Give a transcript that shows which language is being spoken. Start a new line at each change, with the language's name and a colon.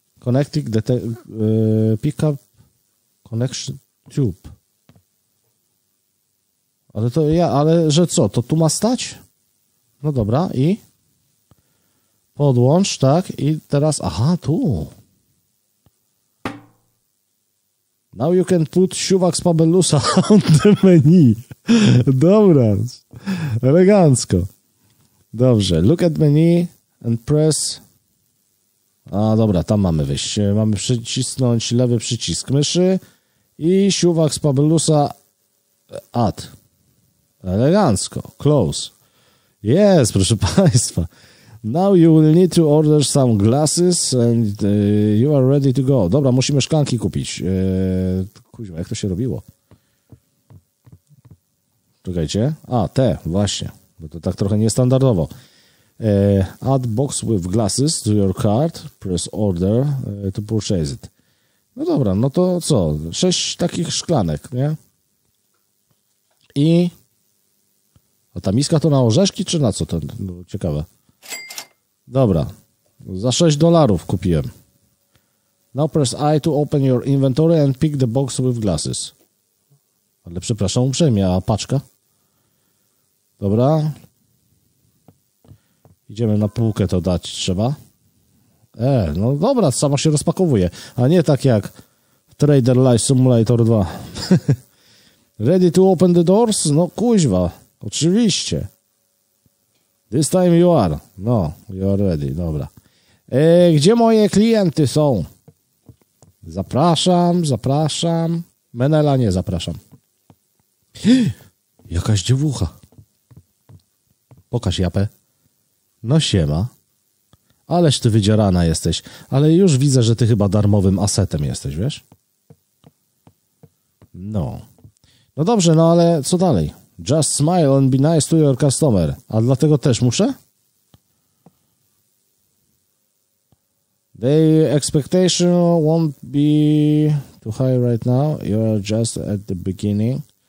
English: Connecting the pickup connection tube.
Polish: Ale to ja, ale że co, to tu ma stać? No dobra, i? Podłącz, tak, i teraz, aha, tu...
English: Now you can put siuwak z Pabellusa on the menu.
Polish: Dobra. Elegancko. Dobrze.
English: Look at menu and press...
Polish: A, dobra, tam mamy wyjść. Mamy przycisnąć lewy przycisk myszy i siuwak z Pabellusa add. Elegancko.
English: Close. Yes,
Polish: proszę państwa.
English: Now you will need to order some glasses and you are ready to go.
Polish: Dobra, musimy szklanki kupić. Kuźwa, jak to się robiło? Czekajcie. A, te, właśnie. Bo to tak trochę niestandardowo.
English: Add box with glasses to your cart. Press order to purchase it.
Polish: No dobra, no to co? 6 takich szklanek, nie? I... A ta miska to na orzeszki, czy na co? To ciekawe. Dobra. Za $6 kupiłem.
English: Now press I to open your inventory and pick the box with glasses.
Polish: Ale przepraszam uprzejmie, a paczka? Dobra. Idziemy na półkę to dać trzeba. No dobra, samo się rozpakowuje. A nie tak jak w Trader Life Simulator 2.
English: Ready to open the doors?
Polish: No kuźwa, oczywiście.
English: This time you are. No, you are ready,
Polish: dobra. Gdzie moje klienty są? Zapraszam. Menela nie zapraszam. Jakaś dziewucha. Pokaż japę. No siema. Ależ ty wydzierana jesteś, ale już widzę, że ty chyba darmowym asetem jesteś, wiesz? No. No dobrze, no ale co dalej?
English: Just smile and be nice to your customer.
Polish: A dlatego też muszę?
English: The expectation won't be too high right now. You are just at the beginning.